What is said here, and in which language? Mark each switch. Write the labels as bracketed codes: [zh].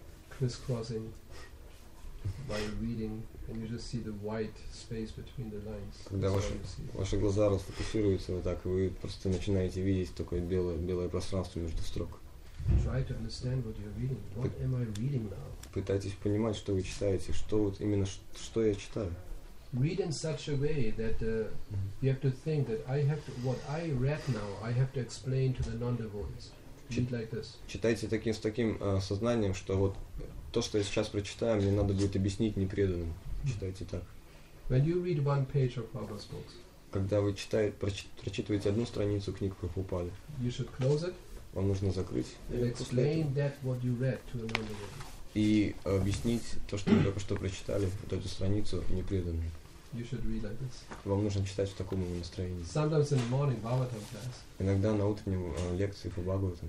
[en] Crisscrossing by reading, and you just see the white space between the lines. [ru] Когда ваши глаза расфокусируются вот так, вы просто начинаете видеть такое белое пространство между строк. [en] Try to understand what you're reading. What am I reading now? [ru] Пытайтесь понимать, что вы читаете, что вот именно что я читаю. [en] Read in such a way that you have to think that I have to, what I read now, I have to explain to the non-devotees. [ru] Читайте с таким сознанием, что вот то, что я сейчас прочитаю, мне надо будет объяснить непреданным. Читайте так. [en] When you read one page of Prabhupada's books, [ru] когда вы прочитываете одну страницу книг Прабхупады, [en] you should close it, [ru] вам нужно закрыть [en] and explain that what you read to another one. [ru] И объяснить то, что вы только что прочитали, вот эту страницу непреданным. [en] You should read like this. [ru] Вам нужно читать в таком настроении. [en] Sometimes in the morning Bhagavatam class. [ru] Иногда на утреннем лекции по Бхагаватам.